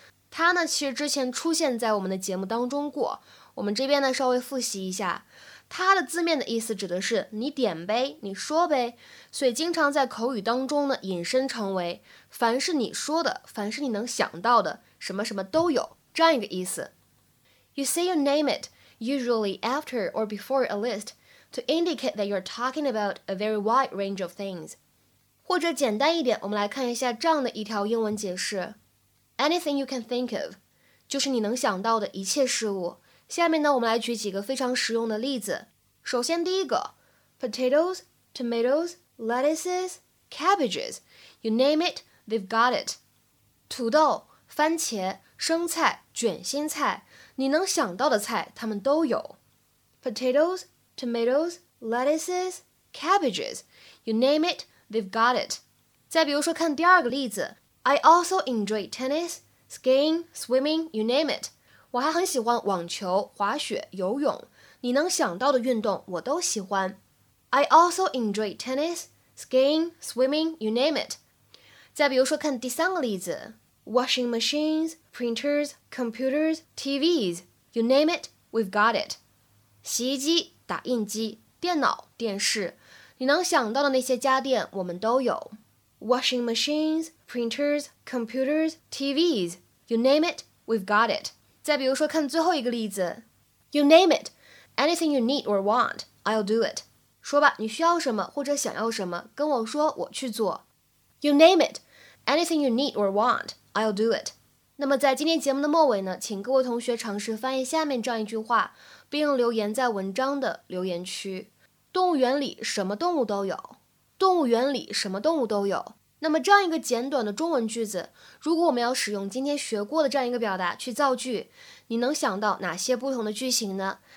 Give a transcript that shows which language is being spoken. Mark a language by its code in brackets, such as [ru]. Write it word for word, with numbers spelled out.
[zh] 它呢，其实之前出现在我们的节目当中过，我们这边呢稍微复习一下。它的字面的意思指的是你点呗，你说呗，所以经常在口语当中呢引申成为凡是你说的，凡是你能想到的，什么什么都有，这样一个意思。 [en] You say you name it, usually after or before a list. To indicate that you're talking about a very wide range of things. [zh] 或者简单一点，我们来看一下这样的一条英文解释。 [en] Anything you can think of, [zh] 就是你能想到的一切事物。下面呢，我们来举几个非常实用的例子。首先第一个 [en] potatoes, tomatoes, lettuces, cabbages. You name it, they've got it. [zh] 土豆、番茄、生菜、卷心菜，你能想到的菜，它们都有。 [en] Potatoes,Tomatoes, lettuces, cabbages, you name it, they've got it. [zh] 再比如说看第二个例子 [en] I also enjoy tennis, skiing, swimming, you name it. [zh] 我还很喜欢网球、滑雪、游泳，你能想到的运动我都喜欢。 [en] I also enjoy tennis, skiing, swimming, you name it. [zh] 再比如说看第三个例子 [en] Washing machines, printers, computers, T Vs, you name it, we've got it. [zh] 洗衣机打印机、电脑、电视，你能想到的那些家电我们都有。 [en] Washing machines, printers, computers, T Vs, you name it, we've got it. [zh] 再比如说看最后一个例子 [en] You name it, anything you need or want, I'll do it. [zh] 说吧，你需要什么或者想要什么，跟我说，我去做。 [en] You name it, anything you need or want, I'll do it. [zh] 那么在今天节目的末尾呢，请各位同学尝试翻译下面这样一句话，并留言在文章的留言区。动物园里什么动物都有，动物园里什么动物都有。那么这样一个简短的中文句子，如果我们要使用今天学过的这样一个表达去造句，你能想到哪些不同的句型呢？